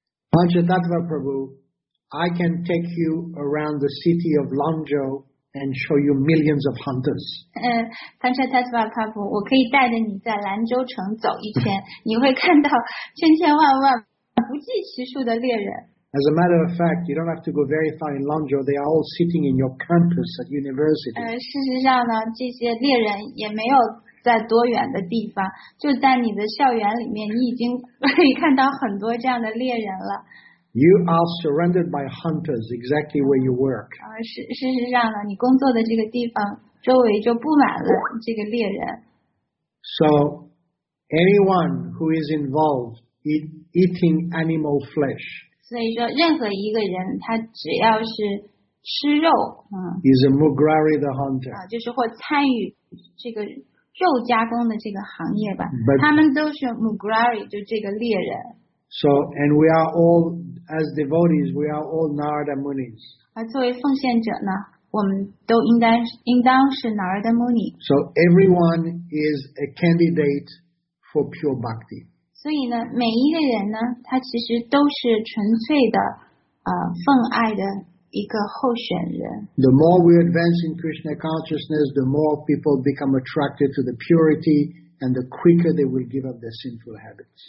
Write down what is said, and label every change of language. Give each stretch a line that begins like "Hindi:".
English: Panchatattva Prabhu, I can take you around the city of Lanzhou and show you millions of hunters.
Chinese: Panchatattva Prabhu, 我可以带着你在兰州城走一圈，你会看到千千万万不计其数的猎人。
English: As a matter of fact, you don't have to go very far in Lanzhou. They are all sitting in your campus at university.
Chinese: 事实上呢，这些猎人也没有在多远的地方，就在你的校园里面，你已经可以看到很多这样的猎人了。
English: You are surrounded by hunters exactly where you work.
Chinese: 事实上呢，你工作的这个地方周围就布满了这个猎人。
English: So anyone who is involved in eating animal flesh,
Chinese: 所以说任何一个人他只要是吃肉，
English: is a Mugrari the hunter,
Chinese: 就是或参与这个肉加工的这个行业吧，他们都是 Mugrari, 就这个猎人。
English: So, and we are all, as devotees, we are all Narada Munis.
Chinese: 而作为奉献者呢，我们都应当是 Narada Muni.
English: So everyone is a candidate for pure bhakti.
Chinese: 所以呢，每一个人呢，他其实都是纯粹的，奉爱的一个候选人。
English: The more we advance in Krishna consciousness, the more people become attracted to the purity. And the quicker they will give up their sinful habits.